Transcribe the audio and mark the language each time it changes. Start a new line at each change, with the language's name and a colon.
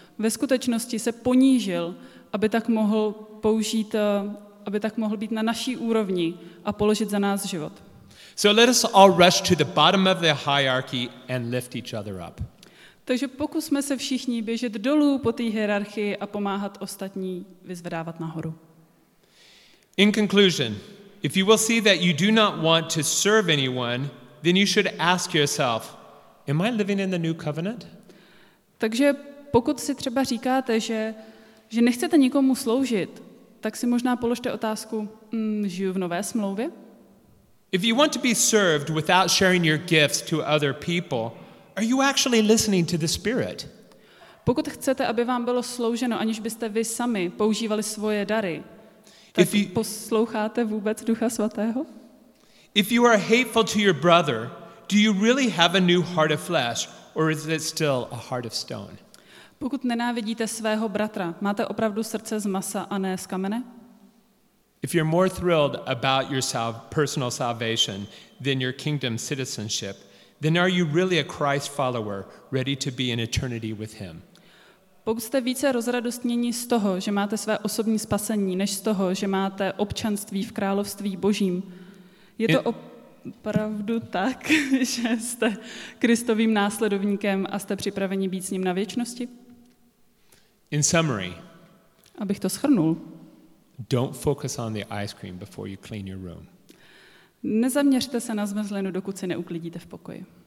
Czech: Ve skutečnosti se ponížil, aby tak mohl být na naší úrovni a položit za nás život.
English: So let us all rush to the bottom of the hierarchy and lift each other up.
Czech: Takže pokusme se všichni běžet dolů po té hierarchii a pomáhat ostatní vyzvedávat nahoru.
English: In conclusion, if you will see that you do not want to serve anyone, then you should ask yourself, am I living in the new covenant?
Czech: Takže pokud si třeba říkáte, že nechcete nikomu sloužit, tak si možná položte otázku, žiju v nové smlouvě?
English: If you want to be served without sharing your gifts to other people, are you actually listening to the Spirit?
Czech: Pokud chcete, aby vám bylo slouženo, aniž byste vy sami používali svoje dary, tak posloucháte vůbec Ducha Svatého?
English: If you are hateful to your brother, do you really have a new heart of flesh, or is it still a heart of stone?
Czech: Pokud nenávidíte svého bratra, máte opravdu srdce z masa a ne z kamene?
English: If you're more thrilled about your personal salvation than your kingdom citizenship, then are you really a Christ follower, ready to be in eternity with him?
Czech: Pokud jste více rozradostněni z toho, že máte své osobní spasení, než z toho, že máte občanství v království Božím, je to opravdu tak, že jste Kristovým následovníkem a jste připraveni být s ním na věčnosti?
English: In summary.
Czech: Abych to shrnul.
English: Don't focus on the ice cream before you clean your room.
Czech: Nezaměřte se na zmrzlinu, dokud se neuklidíte v pokoji.